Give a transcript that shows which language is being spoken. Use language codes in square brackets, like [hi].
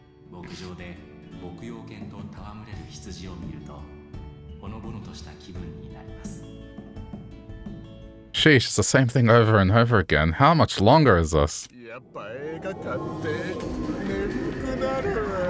[ja] 牧場で牧羊犬と戯れる羊を見ると、ほのぼのとした気分になります。 [en] Sheesh, it's the same thing over and over again. How much longer is this? [ja] やっぱ映画館って眠くなる。